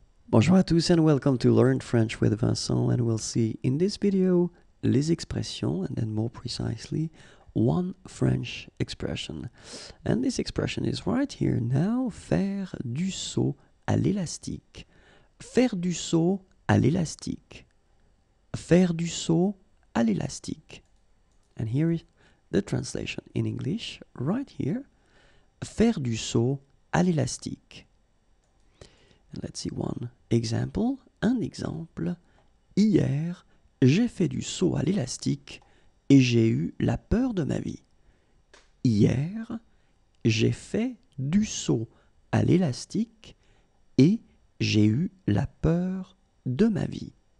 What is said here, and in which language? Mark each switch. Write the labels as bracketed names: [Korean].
[French] Bonjour à tous [English] and welcome to Learn French with Vincent, and we'll see in this video [French] les expressions, [English] and then more precisely one French expression. And this expression is right here now, [French] faire du saut à l'élastique. Faire du saut à l'élastique. Faire du saut à l'élastique. [English] And here is the translation in English right here. [French] Faire du saut à l'élastique. [English] Let's see one example. [French] Un exemple. Hier, j'ai fait du saut à l'élastique et j'ai eu la peur de ma vie. Hier, j'ai fait du saut à l'élastique et j'ai eu la peur de ma vie.